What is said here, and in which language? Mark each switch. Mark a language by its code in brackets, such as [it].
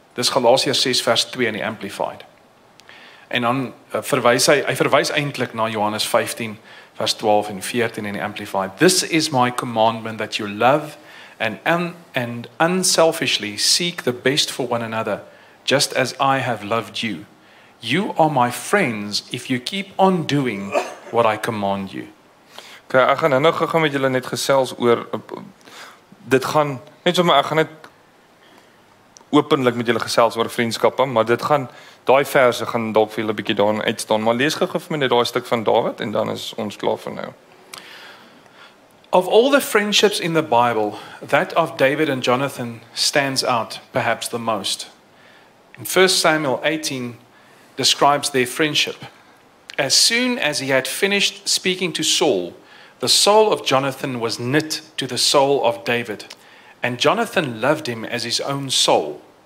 [af] Dis Galasiërs 6:2 in die Amplified. En dan verwys hy eintlik na Johannes 15:12-14 in die Amplified. [en] This is my commandment, that you love and unselfishly seek the best for one another, just as I have loved you. You are my friends if you keep on doing what I command you. [af] Okay, ek gaan nou gou-gou met julle net gesels oor dit gaan net so maar ek gaan net openlik met julle gesels oor vriendskappe, maar dit gaan daai verse gaan dalk vir julle 'n bietjie daarin uitstaan, maar lees gou-gou vir my net daai stuk van Dawid en dan is ons klaar vir nou. [en] Of all the friendships in the Bible, that of David and Jonathan stands out perhaps the most. In 1 Samuel 18 describes their friendship. As soon as he had finished speaking to Saul, the soul of Jonathan was knit to the soul of David, and Jonathan loved him as his own soul.